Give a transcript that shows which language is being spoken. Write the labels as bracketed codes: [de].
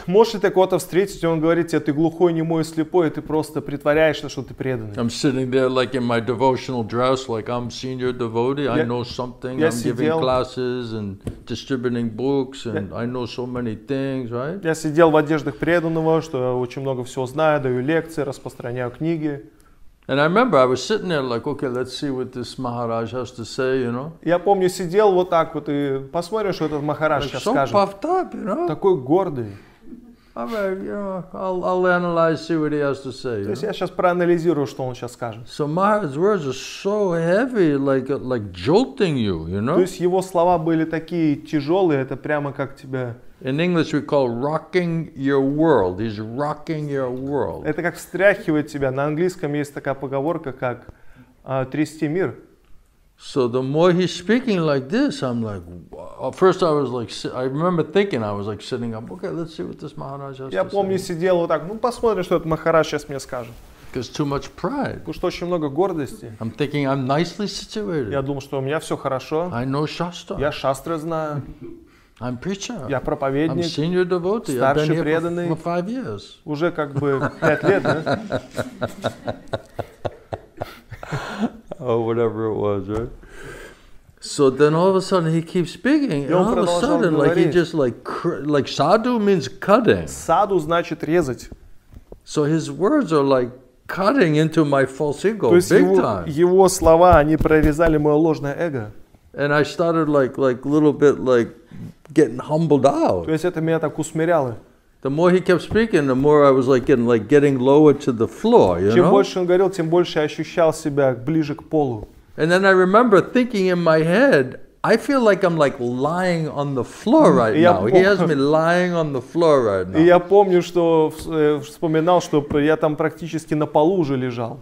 [ru] Можешь ты кого-то встретить, и он говорит тебе, ты глухой, немой, слепой, и ты просто притворяешься, что ты преданный. [en] I'm sitting there like in my devotional dress, like I'm senior devotee, I know something, I'm giving classes and distributing books, and I know so many things, right? [ru] Я сидел в одеждах преданного, что я очень много всего знаю, даю лекции, распространяю книги. [en] And I remember I was sitting there like, okay, let's see what this Maharaj has to say, you know. [ru] Я помню, сидел вот так вот и посмотрим, что этот Махарадж сейчас скажет. [en] So puffed up, you know. [ru] Такой гордый. [en] I'll analyze, see what he has to say. [ru] То есть я сейчас проанализирую, что он сейчас скажет. [en] So Maharaj's words are so heavy, like jolting you, you know. [ru] То есть его слова были такие тяжелые, это прямо как тебя. [en] In English we call rocking your world. He's rocking your world. [ru] Это как встряхивает тебя. На английском есть такая поговорка, как трясти мир. [en] So the more he's speaking like this, I'm like, wow. First I was like, I remember thinking, I was like sitting up, okay, let's see what this Maharaj has to say. [ru] Я помню, сидел вот так, ну посмотрим, что этот Махарадж сейчас мне скажет. [en] Because too much pride. [ru] Потому что очень много гордости. [en] I'm thinking I'm nicely situated. [ru] Я думал, что у меня все хорошо. [en] I know shastra. [ru] Я шастры знаю. [en] I'm preacher. [ru] Я проповедник. [en] I'm senior devotee. [ru] Старший [en] I've been here [ru] преданный. [en] For 5 years. [ru] Уже как бы 5 лет, да? [en] Oh, whatever it was, right? So then all of a sudden he keeps speaking, and all of a sudden, like he just like sadhu means cutting. [ru] Sadhu значит резать. [en] So his words are like cutting into my false ego, big time. [ru] То есть его слова они прорезали мое ложное эго. [en] And I started like little bit like getting humbled out. [ru] То есть это меня так усмиряло. [en] The more he kept speaking, the more I was like getting lower to the floor, you know? [ru] Чем больше он говорил, тем больше я ощущал себя ближе к полу. [en] And then I remember thinking in my head, I feel like I'm like lying on the floor right now. He has me lying on the floor right now. [ru] И я помню, что вспоминал, что я там практически на полу уже лежал.